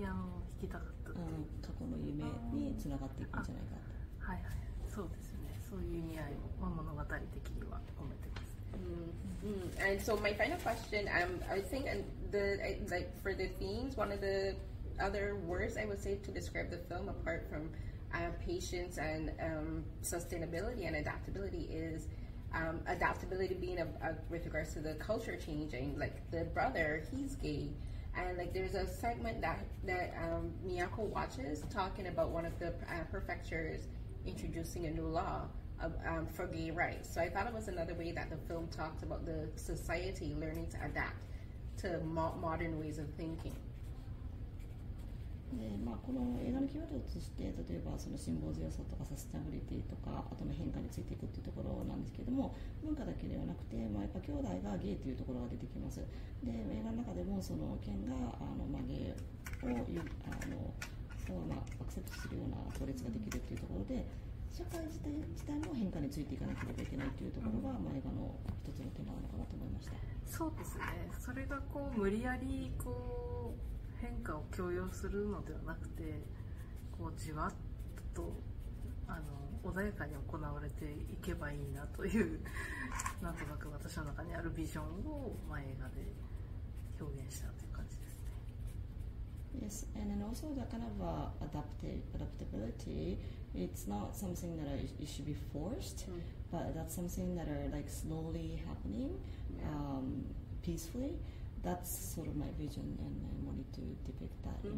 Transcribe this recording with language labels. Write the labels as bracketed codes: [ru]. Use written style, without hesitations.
[ja] ピアノを弾きたかったって過去の夢につながっていくんじゃないかと。はいはい、そうですね、そういう意味合いを物語的には込めてますね。 [en] And so my final question, I think the like for the themes, one of the other words I would say to describe the film, apart from patience and sustainability and adaptability, is adaptability being with regards to the culture changing. Like the brother, he's gay, and like there's a segment that Miyako watches talking about one of the prefectures introducing a new law for gay rights. So I thought it was another way that the film talked about the society learning to adapt to modern ways of thinking. [ja] でまあ、この映画のキーワードとして例えばその辛抱強さとかサステナビリティとかあとの変化についていくというところなんですけれども、文化だけではなくて、まあ、やっぱ兄弟がゲイというところが出てきます。で映画の中でもそのケンがまあ、ゲイをまあ、アクセプトするような法律ができるというところで、社会自体も変化についていかなければいけないというところが、まあ、映画の一つのテーマなのかなと思いました。そうですね、それがこう無理やりこう変化を強要するのではなくて、こうじわっと穏やかに行われていけばいいなというなんとなく私の中にあるビジョンを、まあ、映画で表現したという感じですね。 [en] Yes, and then also the kind of adaptability, it's not something that it should be forced、mm-hmm. but that's something that are like slowly happening、peacefully. That's sort of my vision, and I wanted to depict that、mm-hmm.